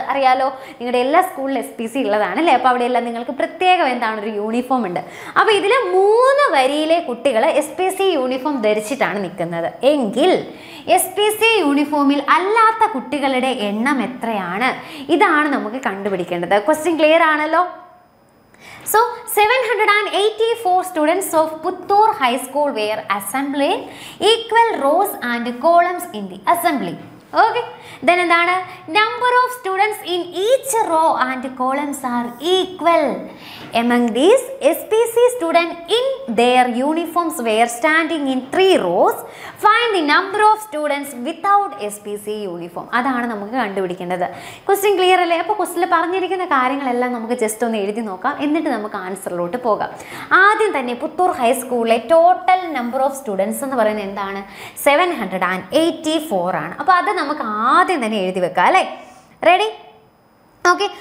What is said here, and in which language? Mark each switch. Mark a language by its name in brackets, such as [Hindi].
[Malayalam] അറിയാലോ നിങ്ങളുടെ എല്ലാ സ്കൂളിലും SPC ഉള്ളതാണ് അല്ലേ, അപ്പോൾ അവിടെയെല്ലാം നിങ്ങൾക്ക് പ്രത്യേകം എന്താണ് ഒരു യൂണിഫോം ഉണ്ട്. അപ്പോൾ ഇതിൽ മൂന്ന് വരിയിലെ കുട്ടികൾ SPC യൂണിഫോം ധരിച്ചിട്ടാണ് നിൽക്കുന്നത് എങ്കിൽ SPC യൂണിഫോമിൽ അല്ലാത്ത കുട്ടികളുടെ എണ്ണം എത്രയാണ്, ഇതാണ് നമുക്ക് കണ്ടുപിടിക്കേണ്ടത്. ക്വസ്റ്റ്യൻ ക്ലിയർ ആണല്ലോ. [English] So, 784 students of Puttur High School were assembled in equal rows and columns in the assembly. Okay, then [Malayalam] എന്താണ്, [English] number of students in each row and columns are equal. Among these, SPC students in their uniforms were standing in three rows. Find the number of students without SPC uniform. [Malayalam] അതാണ് നമുക്ക് കണ്ടുപിടിക്കേണ്ടത്. Question clear അല്ലേ. അപ്പോൾ ക്വസ്റ്റ്യനിൽ പറഞ്ഞിരിക്കുന്ന കാര്യങ്ങളെല്ലാം നമുക്ക് just ഒന്ന് എഴുതി നോക്കാം, എന്നിട്ട് നമുക്ക് ആൻസറിലോട്ട് പോകാം. ആദ്യം തന്നെ പുത്തൂർ ഹൈസ്കൂളിലെ [English] total number of students [Malayalam] എന്ന് പറയുന്നത് എന്താണ്, 784 ആണ്. അപ്പോൾ അത് നമുക്ക് ആദ്യം തന്നെ എഴുതി വെക്കാം അല്ലേ. Ready, okay.